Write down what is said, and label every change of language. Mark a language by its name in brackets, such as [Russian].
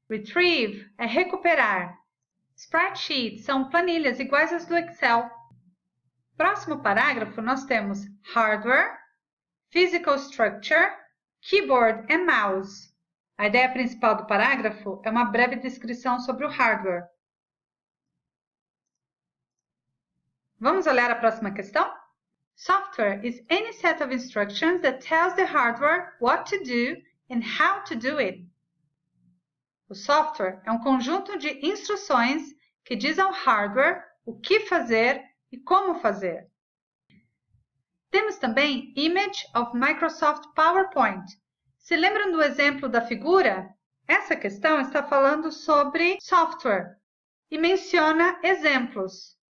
[Portuguese] Retrieve é recuperar. Spreadsheets são planilhas iguais às do Excel. Próximo parágrafo, nós temos hardware, physical structure, keyboard e mouse. A ideia principal do parágrafo é uma breve descrição sobre o hardware. Vamos olhar a próxima questão? [English] Software is any set of instructions that tells the hardware what to do and how to do it. [Portuguese] O software é um conjunto de instruções que diz ao hardware o que fazer e como fazer. Temos também Image of Microsoft PowerPoint. Se lembram do exemplo da figura? Essa questão está falando sobre software e menciona exemplos.